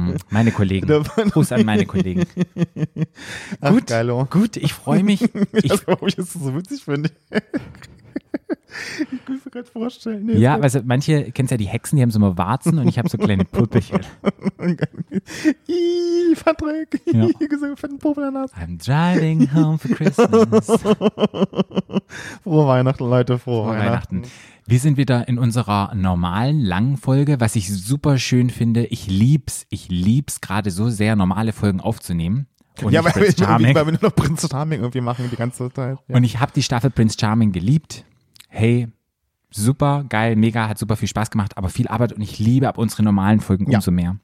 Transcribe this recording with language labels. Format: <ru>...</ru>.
<de>Meine Kollegen. Gruß an meine Kollegen. Ach, gut, geilo. Gut, ich freue mich. Ich glaube, ich das so witzig finde. Ich muss mir gerade vorstellen. Nee, ja, weißt du, manche, kennst ja die Hexen, die haben so immer Warzen und ich habe so kleine Puppelchen. Ihhh, Patrick. Ja. Fetten Popel in der Nase.</de> <en>I'm driving home for Christmas.</en> <de>Frohe Weihnachten, Leute, frohe Weihnachten. Wir sind wieder in unserer normalen, langen Folge, was ich super schön finde. Ich lieb's gerade so sehr, normale Folgen aufznehmen. Und ja, weil wir nur noch Prinz Charming irgendwie machen die ganze Zeit. Ja. Und ich habe die Staffel Prinz Charming geliebt. Hey, super, geil, mega, hat super viel Spaß gemacht, aber viel Arbeit und ich liebe ab unsere normalen Folgen umso mehr.</de>